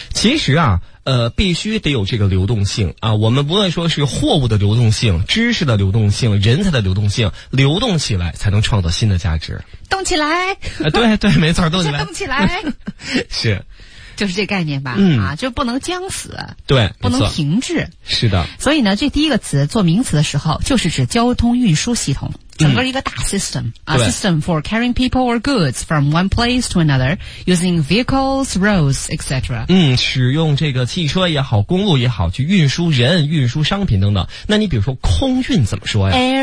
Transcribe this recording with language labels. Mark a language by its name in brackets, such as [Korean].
[Chinese] 其实啊，必须得有这个流动性啊，我们不论说是货物的流动性、知识的流动性、人才的流动性，流动起来才能创造新的价值。动起来，对对，没错，动起来，动起来，是，就是这概念吧，就不能僵死，对，不能停滞，是的。所以呢，这第一个词做名词的时候，就是指交通运输系统，整个一个大 system， [English] a system for carrying people or goods from one place to another using vehicles, roads, etc. [Chinese] 使用这个汽车也好，公路也好，去运输人、运输商品等等。那你比如说空运怎么说呀？